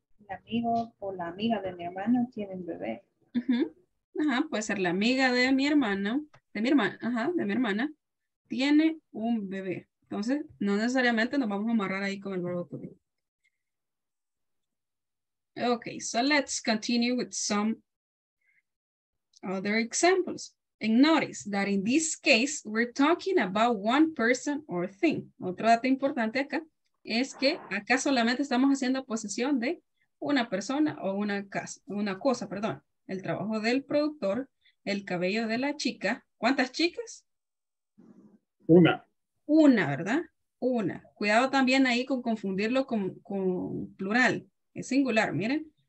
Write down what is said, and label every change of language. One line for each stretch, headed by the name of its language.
Spanish: Amigo o la amiga de mi hermano tienen bebé. Uh-huh. Ajá, puede ser la amiga de mi hermano, de mi hermana, ajá, de mi hermana, tiene un bebé. Entonces, no necesariamente nos vamos a amarrar ahí con el verbo to be.
English: Okay, so let's continue with some other examples. And notice that in this case, we're talking about one person or thing.
Spanish: Otro dato importante acá es que acá solamente estamos haciendo posesión de una persona o una casa, una cosa, perdón. El trabajo del productor, el cabello de la chica. ¿Cuántas chicas? Una. Una, ¿verdad? Una. Cuidado también ahí con confundirlo con plural. Es singular, miren.